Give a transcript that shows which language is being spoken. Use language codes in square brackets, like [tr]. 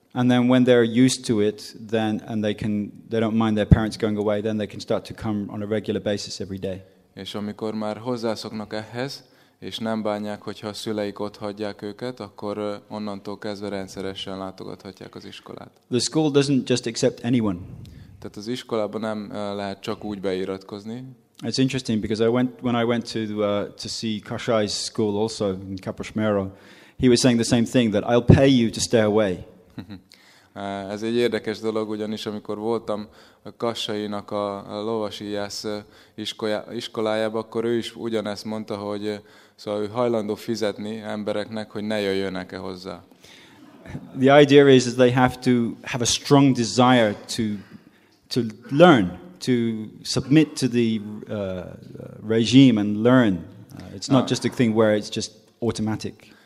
[en] And then when they're used to it, then and they don't mind their parents going away, then they can start to come on a regular basis every day. [hu] És amikor már hozzászoknak ehhez, és nem bánják, hogyha a szüleik ott hagyják őket, akkor onnantól kezdve rendszeresen látogathatják az iskolát. [en] The school doesn't just accept anyone. [hu] Tehát az iskolában nem lehet csak úgy beiratkozni. [en] It's interesting because when I went to see Kashai's school also in Kaposmero, he was saying the same thing, that I'll pay you to stay away. [hu] Ez egy érdekes dolog, ugyanis amikor voltam Kassainak a lovasi jász iskolájában, akkor ő is ugyanezt mondta, hogy szóval ő hajlandó fizetni embereknek, hogy ne jöjjönek-e hozzá. [en] The idea is that they have to have a strong desire to learn, to submit to the regime and learn. It's not just a thing where it's just automatic.